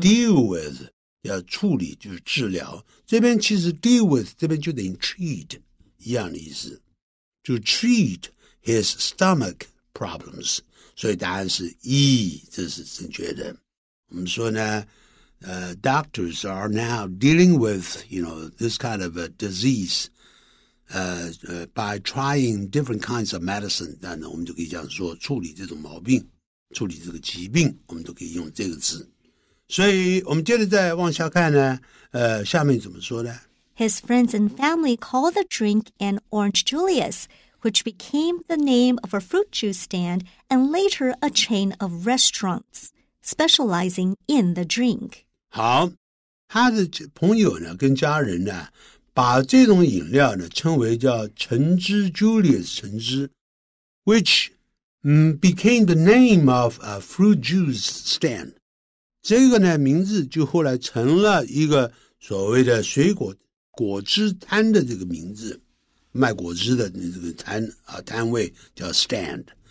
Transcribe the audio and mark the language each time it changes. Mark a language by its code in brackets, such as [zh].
[zh] deal with 要处理就是治疗这边其实 deal with 这边就等于 treat 一样的意思 [en] to treat his stomach problems [zh] 所以答案是 E 这是正确的我们说呢 [en] doctors are now dealing with you know this kind of a diseaseby trying different kinds of medicine, [zh] 但呢我们就可以这样说处理这种毛病处理这个疾病我们都可以用这个字。所以我们接着再往下看呢下面怎么说呢 [en] ?His friends and family call the drink an Orange Julius, which became the name of a fruit juice stand and later a chain of restaurants, specializing in the drink. [zh] 好他的朋友呢跟家人呢把这种饮料呢称为叫橙汁 Julius 橙汁 which [en] became the name of a fruit juice stand. [zh] 这个呢名字就后来成了一个所谓的水果果汁摊的这个名字，卖果汁的这个摊啊摊位叫 stand。